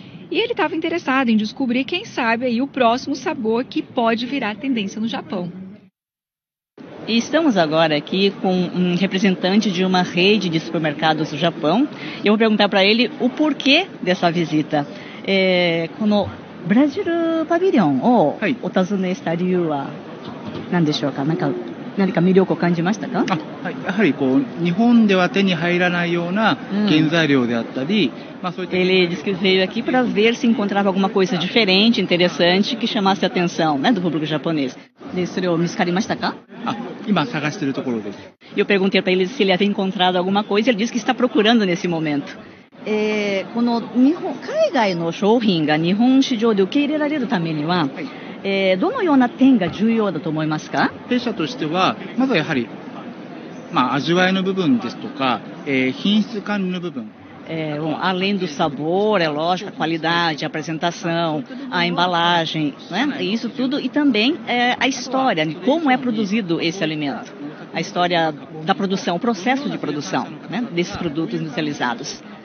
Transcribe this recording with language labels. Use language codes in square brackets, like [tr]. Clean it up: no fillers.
[pt] E ele estava interessado em descobrir, quem sabe, aí o próximo sabor que pode virar tendência no Japão. Estamos agora aqui com um representante de uma rede de supermercados do Japão. Eu vou perguntar para ele o porquê dessa visita. [ja] このブラジルパビリオンをお尋ねした理由は何でしょうか。なんか何か魅力を感じましたか。やはりこう日本では手に入らないような原材料であったり、 [pt] Ele disse que veio aqui para ver se encontrava alguma coisa diferente, interessante, que chamasse a atenção, né, do público japonês. [ja] それを見つかりましたか? Ah, 今探しているところです。 [pt] Eu perguntei para ele se ele havia encontrado alguma coisa, ele disse que está procurando nesse momento. [ja] この日本、海外の商品が日本市場で受け入れられるためには、どのような点が重要だと思いますか? 弊社としては、まずはやはり、まあ、味わいの部分ですとか、品質管理の部分。 [pt] Bom, além do sabor, é lógico, a qualidade, a apresentação, a embalagem, né? Isso tudo, e também a história, como é produzido esse alimento, a história da produção, o processo de produção, né? Desses produtos industrializados.